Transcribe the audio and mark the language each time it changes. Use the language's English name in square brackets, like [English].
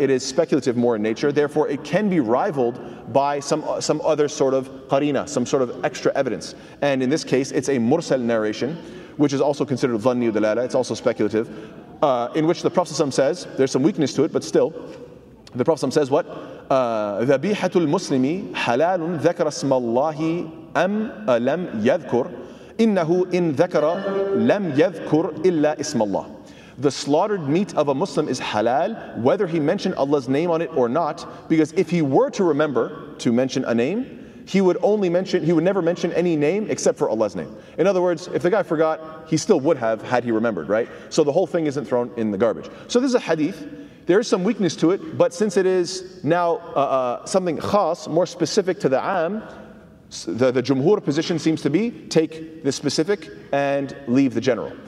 [English] It is speculative more in nature. Therefore, it can be rivaled by some other sort of qarina, some sort of extra evidence. And in this case, it's a mursal narration, which is also considered dhanniyu dalala. It's also speculative, in which the Prophet ﷺ says, there's some weakness to it, but still, the Prophet ﷺ says what? [Arabic] ذبيحه المسلم حلال ذكر اسم الله ام لم يذكر انه ان ذكر لم يذكر الا اسم الله. [English] The slaughtered meat of a Muslim is halal whether he mentioned Allah's name on it or not, because if he were to remember to mention a name, he would never mention any name except for Allah's name. In other words, if the guy forgot, he still would have had he remembered, right? So the whole thing isn't thrown in the garbage. So this is a hadith. There is some weakness to it, but since it is now something khas, more specific to the am, the jumhur position seems to be, take the specific and leave the general.